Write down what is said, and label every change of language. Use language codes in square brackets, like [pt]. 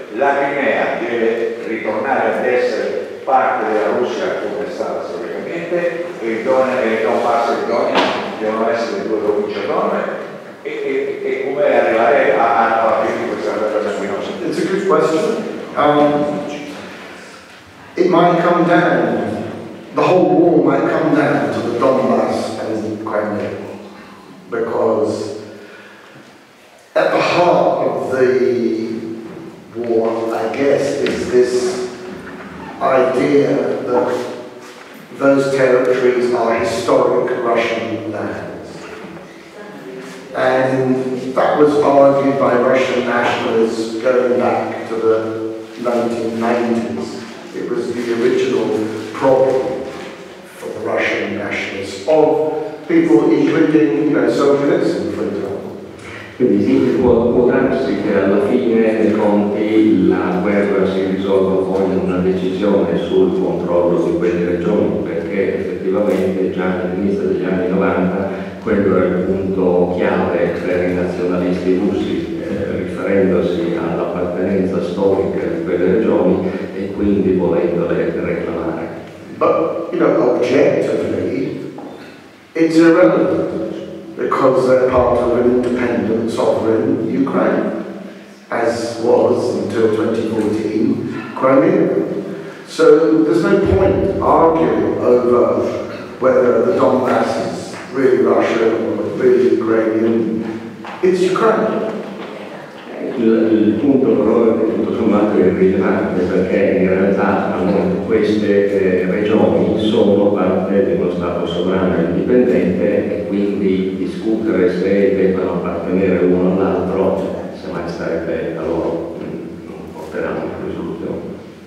[it] La Crimea deve ritornare ad essere parte della Russia come è stata storicamente, e Donbass e Donetsk devono essere due province autonome, e come arrivare a fine questa guerra qui? [en] It's a good question. It might come down, the whole war might come down to the Donbass and the Crimea, because at the heart of the war, I guess, is this idea that those territories are historic Russian lands. And that was argued by Russian nationalists going back to the 1990s. It was the original problem for the Russian nationalists, of people including, you know, socialism, for example. [it] Quindi sì, può darsi che alla fine dei conti la guerra si decisione sul controllo di quelle regioni, perché effettivamente già all'inizio degli anni 90 quello era il punto chiave per i nazionalisti russi, riferendosi all'appartenenza storica di quelle regioni e quindi volendole reclamare. [en] But, you know, objectively, it's irrelevant because they're part of an independent sovereign Ukraine, as was until 2014 Crimea. So there's no point arguing over whether the Donbass is really Russia or really Ukrainian. It's Ukraine. [it] Il punto però è tutto sommato irrilevante, perché in realtà queste regioni sono parte dello Stato sovrano indipendente e quindi discutere se debbano appartenere uno all'altro semmai sarebbe a loro, non porterà una risoluzione.